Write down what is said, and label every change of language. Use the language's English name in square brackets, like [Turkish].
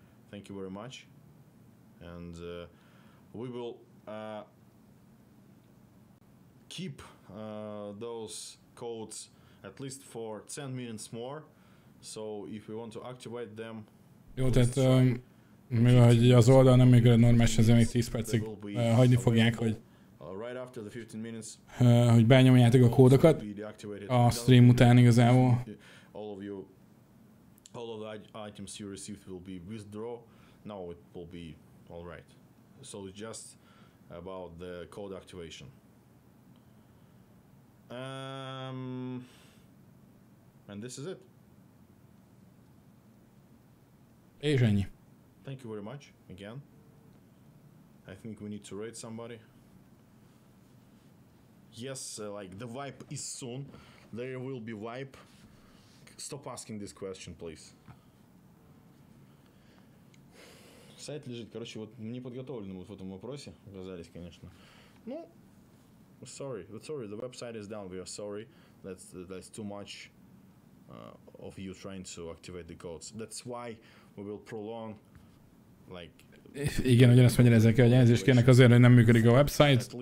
[English] Thank you very much, and we will keep those codes at least for 10 minutes more, so if we want to activate them. [Hungarian] Jó, tehát mivel hogy az oldal nem még normálisan, azért még 10 percig hagyni fogják, hogy [English] right after the 15 minutes, [Hungarian] hogy benyomjátok a kódokat a stream után igazából. [English] All of you, all of the items you received will be withdraw. Now it will be all right. So it's just about the code activation. And this is it. Hey, Jenny. Thank you very much again. I think we need to raid somebody. Yes, like the wipe is soon. There will be wipe. Stop asking this question, please. [Russian] Сайт лежит. Короче, вот неподготовленным вот в этом вопросе оказались, конечно. [English] Ну, sorry. The website is down. We are sorry. That's too much of you trying to activate the codes. That's why we will prolong, like, [Hungarian] Igen, ugyanezt mondja, ezek a jelzést kérnek azért, hogy nem működik a website.